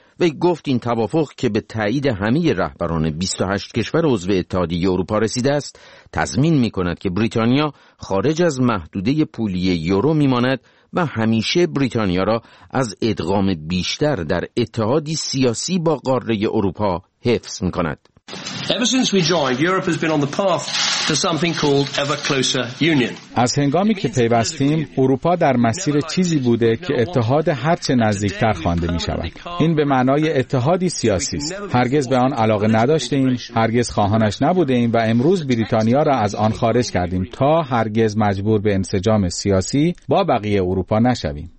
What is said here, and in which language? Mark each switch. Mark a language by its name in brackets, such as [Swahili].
[Persian] وی گفت این توافق که به تایید همه رهبران 28 کشور عضو اتحادیه اروپا رسیده است، تضمین می‌کند که بریتانیا خارج از محدوده پولی یورو می‌ماند و همیشه بریتانیا را از ادغام بیشتر در اتحادی سیاسی با قاره اروپا حفظ می‌کند. [English] Ever since we joined, Europe has been on the path to something called ever closer union. [Persian] از هنگامی که پیوستیم، اروپا در مسیر چیزی بوده که اتحاد هرچه نزدیکتر خوانده می‌شود. این به معنای اتحادی سیاسی است. هرگز به آن علاقه نداشتیم، هرگز خواهانش نبودیم و امروز بریتانیا را از آن خارج کردیم تا هرگز مجبور به انسجام سیاسی با بقیه اروپا نشویم.